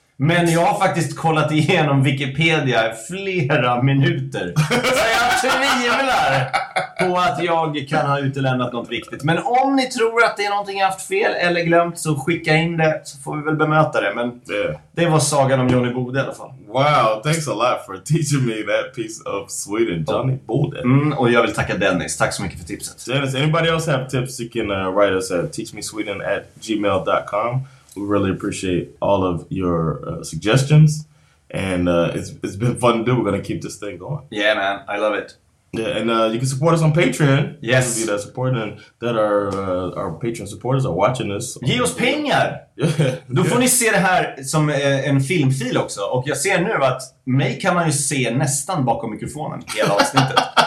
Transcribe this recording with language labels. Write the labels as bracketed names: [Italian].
[Swedish] Men jag har faktiskt kollat igenom Wikipedia flera minuter. Så jag tvivlar på att jag kan ha utelämnat något viktigt. Men om ni tror att det är någonting jag haft fel eller glömt, så skicka in det, så får vi väl bemöta det. Men det var sagan om Johhny Bode i alla fall. [English] Wow, thanks a lot for teaching me that piece of Sweden, Johhny Bode. [Swedish] Mm, och jag vill tacka Dennis. Tack så mycket för tipset. [English] Dennis, anybody else have tips, you can write us at teachmesweden@gmail.com. We really appreciate all of your suggestions, and it's been fun to do. We're going to keep this thing going. Yeah, man. I love it. Yeah, and you can support us on Patreon. Yes. You can be that support, and that our Patreon supporters are watching this. [Swedish] Ge oss pengar! [English] Yeah. [Swedish] Då får ni se det här som en filmfil också. Och jag ser nu att mig kan man ju se nästan bakom mikrofonen hela avsnittet.